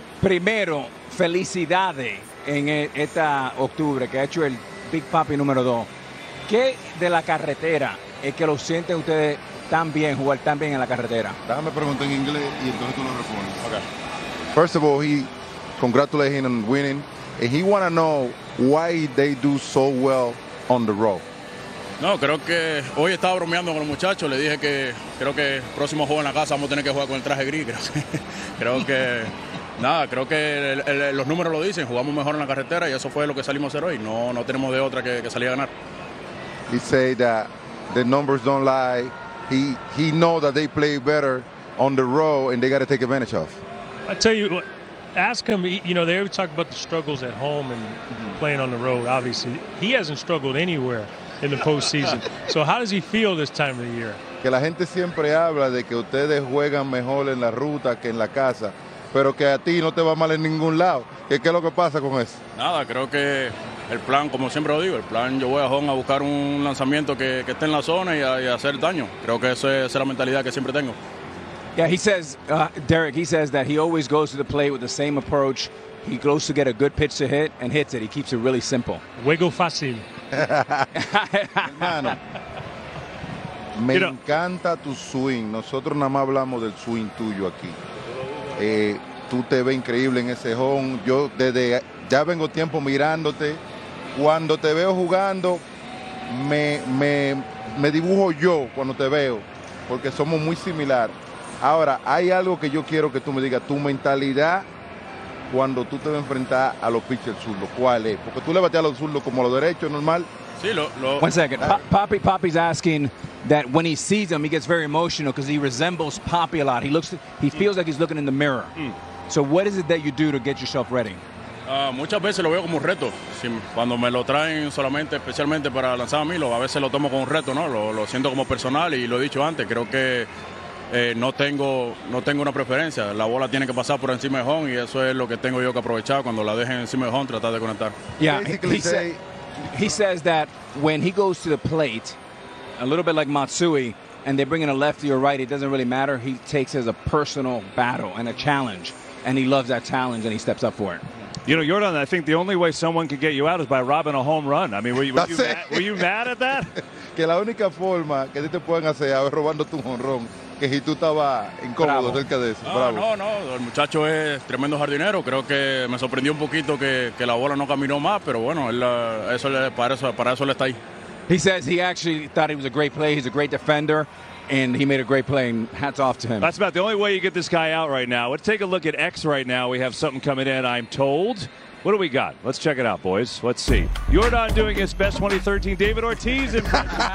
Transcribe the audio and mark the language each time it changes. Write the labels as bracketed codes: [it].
[es] Primero, felicidades en esta octubre que ha hecho el Big Papi número 2. ¿Qué de la carretera es que lo sienten ustedes tan bien, jugar tan bien en la carretera? Déjame preguntar en inglés y entonces tú lo respondes. Okay. [en] First of all, he congratulated him on winning, and he want to know why they do so well on the road. [es] No, creo que hoy estaba bromeando con los muchachos. Le dije que creo que el próximo juego en la casa vamos a tener que jugar con el traje gris. Creo que nada, creo que los números lo dicen. Jugamos mejor en la carretera y eso fue lo que salimos a hacer hoy. No tenemos de otra que salir a ganar. [en] He said that the numbers don't lie. He know that they play better on the road and they got to take advantage of. I tell you what. Ask him, you know, they always talk about the struggles at home and playing on the road, obviously. He hasn't struggled anywhere in the postseason. So how does he feel this time of the year? [es] Que la gente siempre habla de que ustedes juegan mejor en la ruta que en la casa, pero que a ti no te va mal en ningún lado. ¿Qué es lo que pasa con eso? Nada, creo que el plan, como siempre lo digo, el plan, yo voy a home a buscar un lanzamiento que esté en la zona y hacer daño. Creo que esa es la mentalidad que siempre tengo. [en] Yeah, he says, Derek, he says that he always goes to the plate with the same approach. He goes to get a good pitch to hit and hits it. He keeps it really simple. [es] Juego fácil. Hermano, me encanta tu swing. Nosotros nada más hablamos del swing tuyo aquí. Tú te ves increíble en ese home. Yo desde ya vengo tiempo mirándote. Cuando te veo jugando, me dibujo yo cuando te veo, porque somos muy similar. Ahora, hay algo que yo quiero que tú me digas, tu mentalidad cuando tú te vas a enfrentar a los pitchers zurdos, ¿cuál es? Porque tú le bateas a los zurdos como a los derechos, normal. Sí, lo. [en] One second. Poppy's asking that when he sees him, he gets very emotional because he resembles Poppy a lot. He feels like he's looking in the mirror. Mm. So what is it that you do to get yourself ready? [es] Muchas veces lo veo como un reto. Si, cuando me lo traen solamente, especialmente para lanzar a mí, a veces lo tomo como un reto, ¿no? Lo siento como personal y lo he dicho antes, creo que no tengo una preferencia. La bola tiene que pasar por encima de home y eso es lo que tengo yo que aprovechar. Cuando la dejen encima de home, tratar de conectar. [en] Yeah, he says that when he goes to the plate, a little bit like Matsui, and they bring in a lefty or right, it doesn't really matter. He takes it as a personal battle and a challenge, and he loves that challenge, and he steps up for it. You know, Yordan, I think the only way someone could get you out is by robbing a home run. I mean, were you mad at that? Que la única forma que te pueden hacer es robando tu home run. Que si tú estabas incómodo cerca de eso. Bravo. No, el muchacho es tremendo jardinero. Creo que me sorprendió un poquito que la bola no caminó más, pero bueno, para eso le está ahí. He says he actually thought he was a great player. He's a great defender, and he made a great play, and hats off to him. That's about the only way you get this guy out right now. Let's take a look at X right now. We have something coming in, I'm told. What do we got? Let's check it out, boys. Let's see. Yordan doing his best 2013 David Ortiz impression.